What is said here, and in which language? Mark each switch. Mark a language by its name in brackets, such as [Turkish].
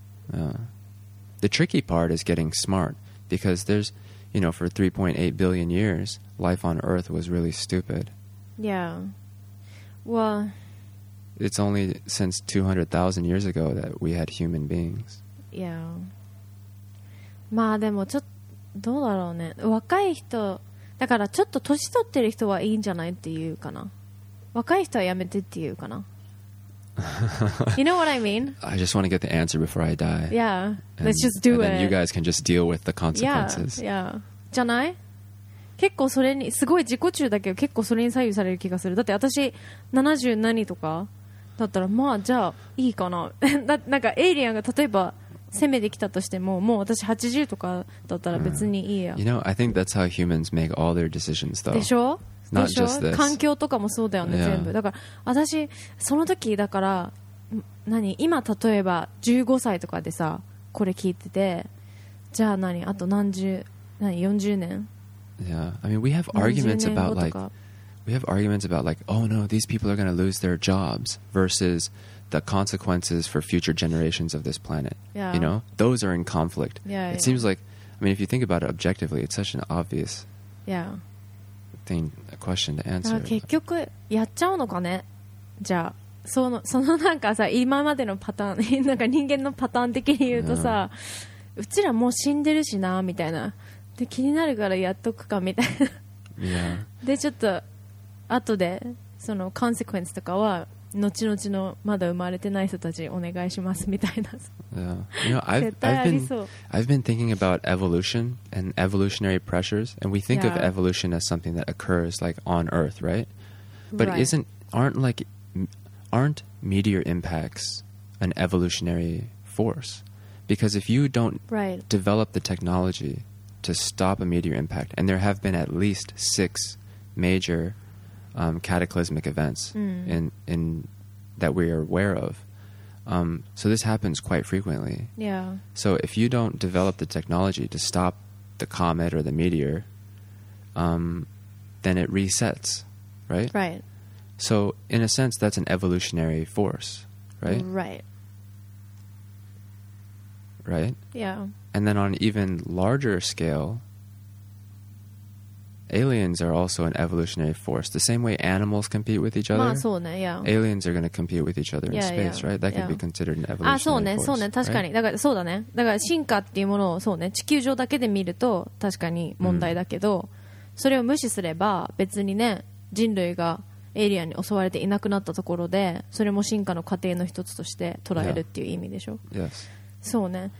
[English] The tricky part is getting smart, because there's, you know, for 3.8 billion years, life on Earth was really stupid. Yeah. Well... It's only since 200,000 years ago that we had human beings. Yeah. [Japanese] まあでもちょっとどうだろうね。若い人だからちょっと年取ってる人はいいんじゃないっていうかな。若い人はやめてっていうかな。 [English] You know what I mean? I just want to get the answer before I die. Yeah. Let's just do it. And then you guys can just deal with the consequences. Yeah. じゃない? [Japanese] 結構それにすごい自己中だけど結構それに左右される気がする。だって私70何とかだったらまあじゃあいいかな。だなんかエイリアンが例えば攻めてきたとしてももう私80とかだったら別にいいや。 [English] You know, I think that's how humans make all their decisions, though. [Japanese] でしょ? [English] Not just this. [Japanese] 環境とかもそうだよね、 [English] yeah. [Japanese] 全部。だから私その時だから何今例えば15歳とかでさこれ聞いててじゃあ何あと何十何40年 [English] Yeah, I mean, we have arguments about like, we have arguments about like, oh no, these people are going to lose their jobs versus the consequences for future generations of this planet. Yeah. You know, those are in conflict. Yeah, it seems like, I mean, if you think about it objectively, it's such an obvious thing, a question to answer. [Japanese] 結局やっちゃうのかね。じゃあそのなんかさ今までのパターンなんか人間のパターン的に言うとさ、うちらもう死んでるしなみたいな。で気になるからやっとくかみたいな。 [English] Yeah. [Japanese] でちょっと後でそのコンセクエンスとかは後々のまだ生まれてない人たちお願いしますみたいな。 [English] Yeah. You know, I've been thinking about evolution and evolutionary pressures, and we think、yeah. of evolution as something that occurs like on Earth, right? But right. aren't meteor impacts an evolutionary force? Because if you don't、 right. develop the technologyTo stop a meteor impact, and there have been at least 6 major cataclysmic events、 mm. in that we are aware of. So this happens quite frequently. Yeah. So if you don't develop the technology to stop the comet or the meteor, then it resets, right? Right. So in a sense, that's an evolutionary force, right? Right. Right. Yeah. And then on an even larger scale, Aliens are also an evolutionary force. The same way animals compete with each other, aliens are going to compete with each other in space, right? That can be considered an evolutionary force. [Japanese] そうね、確かに。だから進化っていうものを地球上だけで見ると確かに問題だけど、それを無視すれば別にね、人類がエイリアンに襲われていなくなったところで、それも進化の過程の一つとして捉えるっていう意味でしょ。 Yes. そうね。